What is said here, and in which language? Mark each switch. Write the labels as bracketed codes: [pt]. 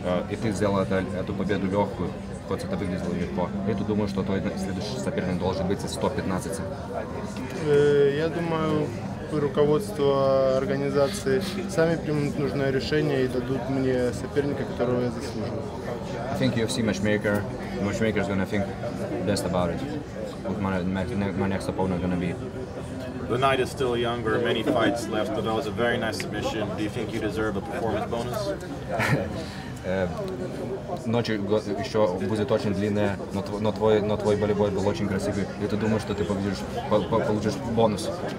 [ru] И ты сделал эту победу легкую, хоть это выглядело легко. И ты думаешь, что твой следующий соперник должен быть из 115? Я думаю, руководство организации сами примут нужное решение и дадут мне соперника, которого я заслужил. [en] I think UFC matchmaker. The matchmaker is going to think best about it. What my next opponent is going to be. The night is still younger, many fights left, but that was a very nice submission. Do you think you deserve a performance bonus? [ru] Ночь еще будет очень длинная, но твой болевой был очень красивый. И ты думаешь, что ты получишь бонус?